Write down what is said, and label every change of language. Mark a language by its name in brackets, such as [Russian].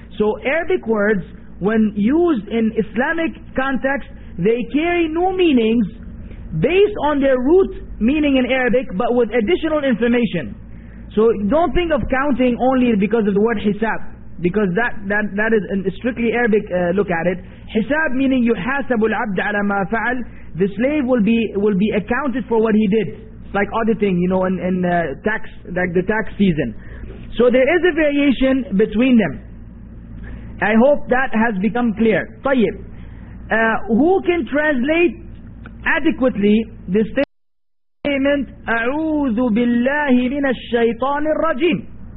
[English] So Arabic words, when used in Islamic context, they carry new meanings based on their root meaning in Arabic, but with additional information. So don't think of counting only because of the word Hisab, because that is a strictly Arabic look at it. Hisab meaning [Arabic] يُحَاسَبُ الْعَبْدَ عَلَى مَا فَعَلْ. [English] The slave will be accounted for what he did. It's like auditing, you know, in tax, like the tax season. So there is a variation between them. I hope that has become clear. [Arabic] طيب. [English] Who can translate adequately the statement [Arabic] أَعُوذُ بِاللَّهِ مِنَ الشَّيْطَانِ الرَّجِيمِ.